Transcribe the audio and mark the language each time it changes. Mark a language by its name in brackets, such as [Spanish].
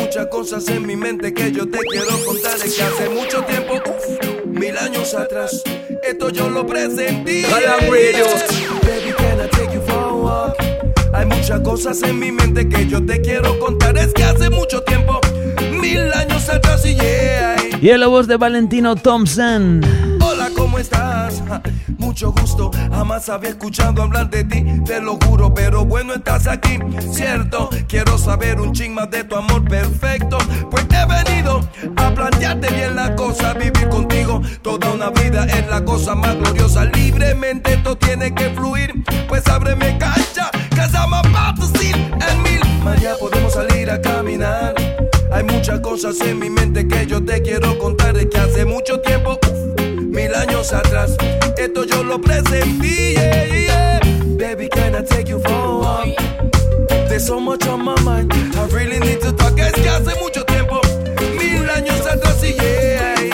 [Spanish] Cosas en mi mente que yo te quiero contar. Es que hace mucho tiempo, uf, mil años atrás, esto yo lo presentí. [English] Baby, can I take you for a walk? [Spanish] Hay muchas cosas en mi mente que yo te quiero contar. Es que hace mucho tiempo, mil años atrás, y yeah. Y la voz de Valentino Thompson. Hola, ¿cómo estás? Mucho gusto, jamás había escuchado hablar de ti, te lo juro, pero bueno, estás aquí, cierto. Quiero saber un ching más de tu amor perfecto, pues he venido a plantearte bien la cosa. Vivir contigo toda una vida es la cosa más gloriosa. Libremente esto tiene que fluir, pues ábreme cancha, [English] cause I'm about to see [Spanish] en mil. María, podemos salir a caminar. Hay muchas cosas en mi mente que yo te quiero contar. Es que hace mucho tiempo, mil años atrás, esto yo lo presentí, yeah, yeah. [English] Baby, can I take you for a walk? There's so much on my mind, I really need to talk. [Spanish] Es que hace mucho tiempo, mil años atrás, y yeah.